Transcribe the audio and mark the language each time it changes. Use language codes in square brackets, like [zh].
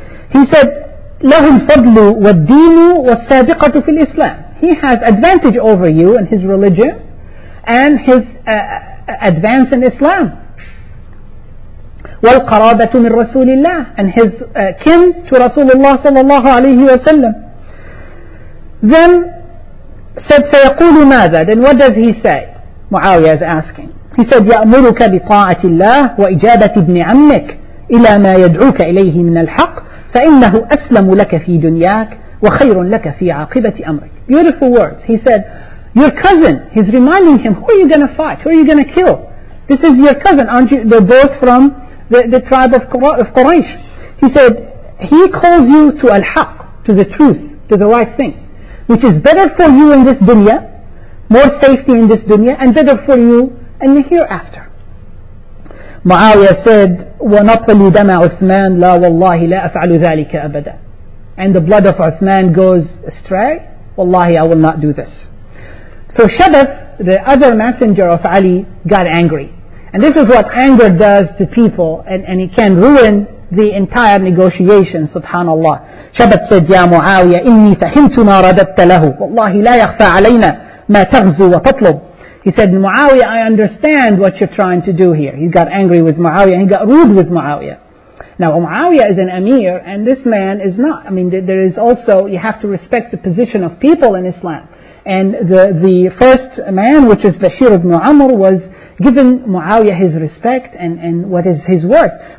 [en] He said, [ar] لَهُمْ فَضْلُ وَالدِّينُ وَالسَّابِقَةُ فِي الْإِسْلَامِ [en] He has advantage over you in his religion and his advance in Islam. [ar] وَالْقَرَابَةُ مِنْ رَسُولِ اللَّهِ [en] And his kin to Rasulullah sallallahu alayhi wa sallam. Then said, [ar] فَيَقُولُ مَاذَا [en] Then what does he say? Muawiyah is asking. He said, [ar] يَأْمُرُكَ بِطَاعَةِ اللَّهِ وَإِجَابَةِ ابْنِ عَمِّكَ إِلَى مَا يَدْعُوكَ إِلَيْهِ مِنَ الْحَقِّ فَإِنَّهُ أَسْلَمُ لَكَ فِي دُنْيَاكَ وَخَيْرٌ لَكَ فِي عَاقِبَةِ أَمْرِكَ [en] Beautiful words. He said, your cousin, he's reminding him, who are you going to fight? Who are you going to kill? This is your cousin, aren't you? They're both from the tribe of Quraysh. He said, he calls you to al-haq, to the truth, to the right thing, which is better for you in this dunya, more safety in this dunya, and better for you in the hereafter. Muawiyah said, [ar] وَنَطْلِ دَمَ عُثْمَانِ لَا وَاللَّهِ لَا أَفْعَلُ ذَلِكَ أَبَدًا [en] And the blood of Uthman goes astray. Wallahi, I will not do this. So Shabath, the other messenger of Ali, got angry. And this is what anger does to people, and it can ruin the entire negotiation, subhanAllah. Shabath said, [ar] يَا مُعَاوِيَ إِنِّي فَهِمْتُ مَا رَدَدْتَ لَهُ وَاللَّهِ لَا يَخْفَى عَلَيْنَا مَا تَغْزُ وَتَطْلُبُ [en] He said, Muawiyah, I understand what you're trying to do here. He got angry with Muawiyah. He got rude with Muawiyah. Now, Muawiyah is an emir, and this man is not. I mean, there is also, you have to respect the position of people in Islam. And the first man, which is Bashir ibn Amr, was giving Muawiyah his respect and what is his worth.